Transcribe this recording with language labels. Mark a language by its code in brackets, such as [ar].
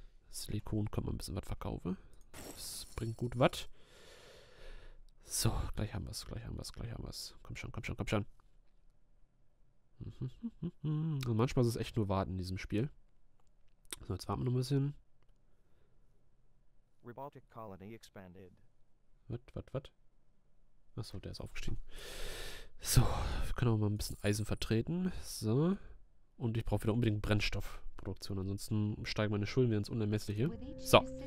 [de] Silikon können wir ein bisschen was verkaufen. Das bringt gut was. So, gleich haben wir's, gleich haben wir's, gleich haben wir's. Komm schon, komm schon, komm schon. Und manchmal ist es echt nur warten in diesem Spiel. So, jetzt warten wir noch ein bisschen. [en] Robotic colony expanded. [de] Was, was, was? Achso, der ist aufgestiegen. So, wir können auch mal ein bisschen Eisen vertreten. So. Und ich brauche wieder unbedingt Brennstoffproduktion, ansonsten steigen meine Schulden wieder ins Unermessliche. So.